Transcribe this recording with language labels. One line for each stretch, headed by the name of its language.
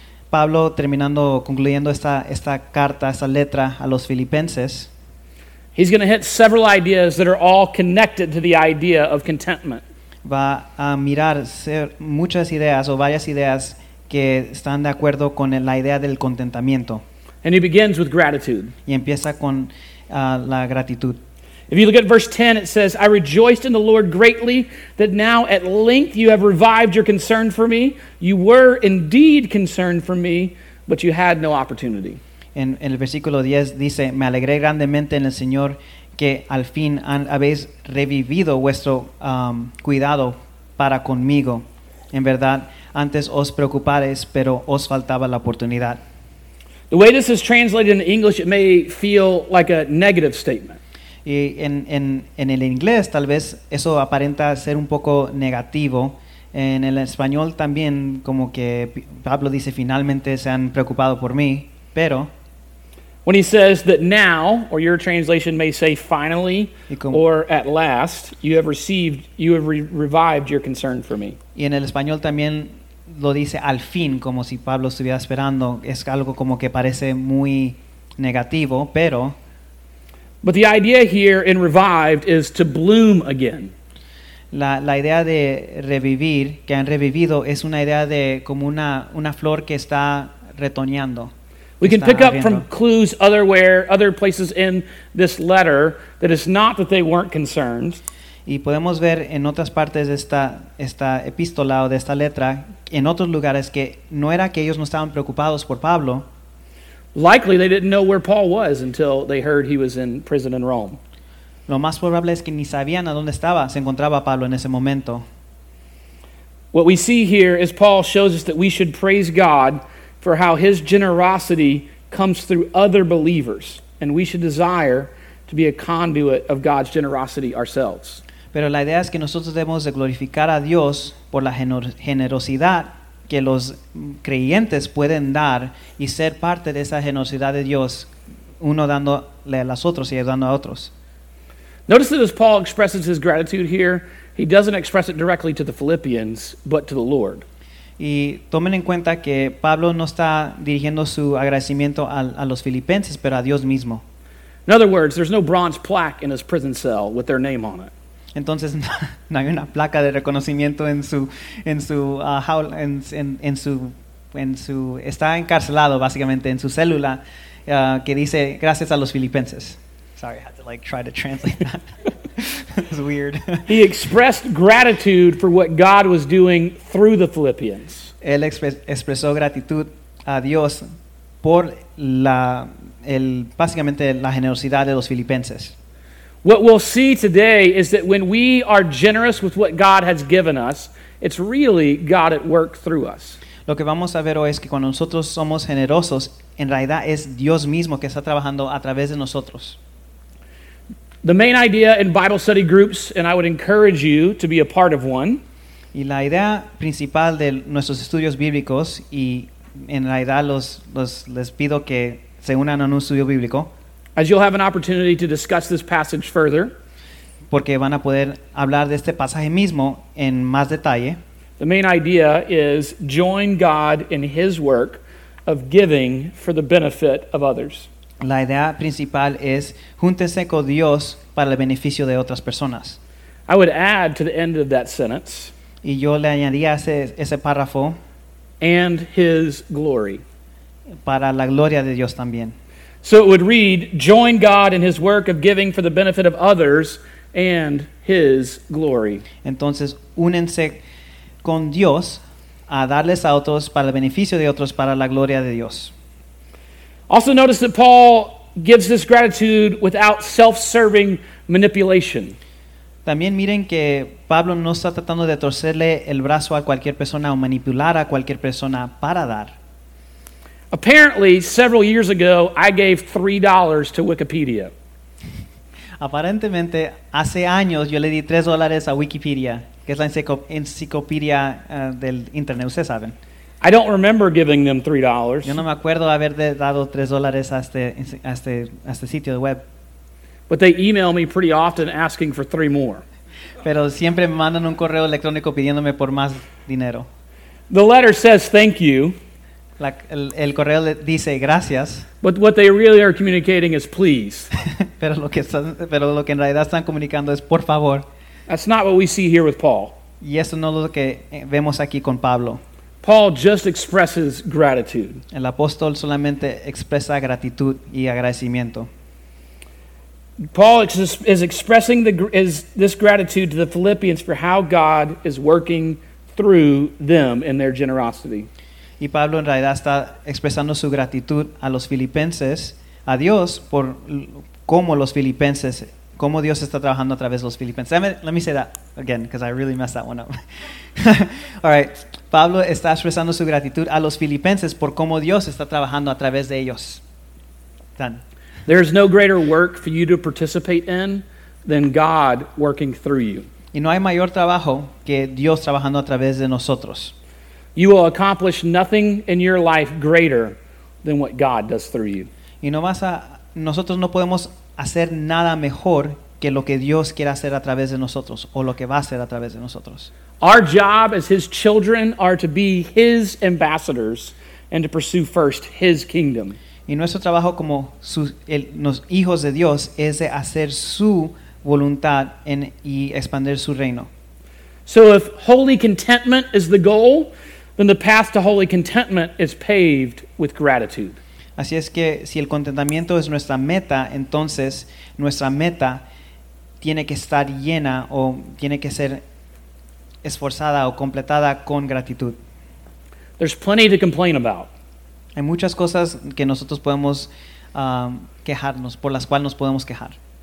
Spanish: Pablo concluyendo esta carta, esta letra a los filipenses.
English: He's going to hit several ideas that are all connected to the idea of contentment.
Spanish: Va a mirar muchas ideas o varias ideas que están de acuerdo con la idea del contentamiento.
English: And he begins with gratitude.
Spanish: Y empieza con la gratitud.
English: If you look at verse 10, it says, I rejoiced in the Lord greatly that now at length you have revived your concern for me. You were indeed concerned for me, but you had no opportunity.
Spanish: En el versículo 10 dice, me alegré grandemente en el Señor que al fin habéis revivido vuestro cuidado para conmigo. En verdad, antes os preocupáis, pero os faltaba la oportunidad.
English: The way this is translated in English, it may feel like a negative statement.
Spanish: Y en el inglés tal vez eso aparenta ser un poco negativo. En el español también como que Pablo dice finalmente se han preocupado por mí, pero
English: when he says that now, or your translation may say finally, or at last, you have revived your concern for me.
Spanish: Y en el español también lo dice al fin, como si Pablo estuviera esperando. Es algo como que parece muy negativo, pero
English: but the idea here in revived is to bloom again.
Spanish: La idea de revivir, que han revivido, es una idea de como una flor que está retoñando.
English: We can pick up from clues other places in this letter that it's not that they weren't concerned.
Spanish: Y podemos ver en otras partes de esta epístola o de esta letra, en otros lugares, que no era que ellos no estaban preocupados por Pablo.
English: Likely they didn't know where Paul was until they heard he was in prison in Rome.
Spanish: Lo más probable es que ni sabían a dónde estaba, se encontraba Pablo en ese momento.
English: What we see here is Paul shows us that we should praise God for how his generosity comes through other believers, and we should desire to be a conduit of God's generosity ourselves.
Spanish: Pero la idea es que nosotros debemos de glorificar a Dios por la generosidad que los creyentes pueden dar y ser parte de esa generosidad de Dios, uno dándole a los otros y ayudando a otros.
English: Notice that as Paul expresses his gratitude here, he doesn't express it directly to the Philippians, but to the Lord.
Spanish: Y tomen en cuenta que Pablo no está dirigiendo su agradecimiento a los filipenses, pero a Dios mismo.
English: In other words, there's no bronze plaque in his prison cell with their name on it.
Spanish: Entonces no hay una placa de reconocimiento en su está encarcelado básicamente en su célula que dice gracias a los filipenses.
English: Sorry, I had to like try to translate that. It's weird. He expressed gratitude for what God was doing through the Philippians.
Spanish: Él expresó gratitud a Dios por básicamente la generosidad de los filipenses.
English: What we'll see today is that when we are generous with what God has given us, it's really God at work through us.
Spanish: Lo que vamos a ver hoy es que cuando nosotros somos generosos, en realidad es Dios mismo que está trabajando a través de nosotros.
English: The main idea in Bible study groups, and I would encourage you to be a part of one.
Spanish: Y la idea principal de nuestros estudios bíblicos, y en realidad les pido que se unan a un estudio bíblico.
English: As you'll have an opportunity to discuss this passage further.
Spanish: Porque van a poder hablar de este pasaje mismo en más detalle.
English: The main idea is join God in his work of giving for the benefit of others.
Spanish: La idea principal es júntense con Dios para el beneficio de otras personas.
English: I would add to the end of that sentence.
Spanish: Y yo le añadiría ese párrafo.
English: And his glory.
Spanish: Para la gloria de Dios también.
English: So it would read, join God in his work of giving for the benefit of others and his glory.
Spanish: Entonces, únense con Dios a darles a otros para el beneficio de otros, para la gloria de Dios.
English: Also notice that Paul gives this gratitude without self-serving manipulation.
Spanish: También miren que Pablo no está tratando de torcerle el brazo a cualquier persona o manipular a cualquier persona para dar.
English: Apparently, several years ago, I gave $3 to Wikipedia.
Spanish: Aparentemente, hace años yo le di $3 a Wikipedia, que es la enciclopedia del internet, ustedes saben.
English: I don't remember giving them $3.
Spanish: Yo no me acuerdo haber dado $3 a este sitio de web.
English: But they email me pretty often asking for three more.
Spanish: Pero siempre me mandan un correo electrónico pidiéndome por más dinero.
English: The letter says thank you.
Spanish: El correo dice gracias.
English: But what they really are communicating is please.
Spanish: pero lo que en realidad están comunicando es por favor.
English: That's not what we see here with Paul.
Spanish: Y eso no es lo que vemos aquí con Pablo.
English: Paul just expresses gratitude.
Spanish: El apóstol solamente expresa gratitud y agradecimiento.
English: Paul is expressing this gratitude to the Philippians for how God is working through them in their generosity.
Spanish: Y Pablo en realidad está expresando su gratitud a los filipenses, a Dios, por cómo los filipenses, cómo Dios está trabajando a través de los filipenses.
English: Let me say that again, because I really messed that one up. All right.
Spanish: Pablo está expresando su gratitud a los filipenses por cómo Dios está trabajando a través de ellos.
English: Done. There is no greater work for you to participate in than God working through you.
Spanish: Y no hay mayor trabajo que Dios trabajando a través de nosotros.
English: You will accomplish nothing in your life greater than what God does through you.
Spanish: Y nosotros no podemos hacer nada mejor que lo que Dios quiera hacer a través de nosotros o lo que va a hacer a través de nosotros.
English: Our job as his children are to be his ambassadors and to pursue first his kingdom.
Spanish: Y nuestro trabajo como los hijos de Dios es de hacer su voluntad y expandir su reino.
English: So if holy contentment is the goal, then the path to holy contentment is paved with gratitude.
Spanish: Así es que si el contentamiento es nuestra meta, entonces nuestra meta tiene que estar llena o tiene que ser esforzada o completada con gratitud.
English: There's plenty to complain about.
Spanish: Hay muchas cosas que nosotros podemos quejarnos, por las cuales nos podemos quejar.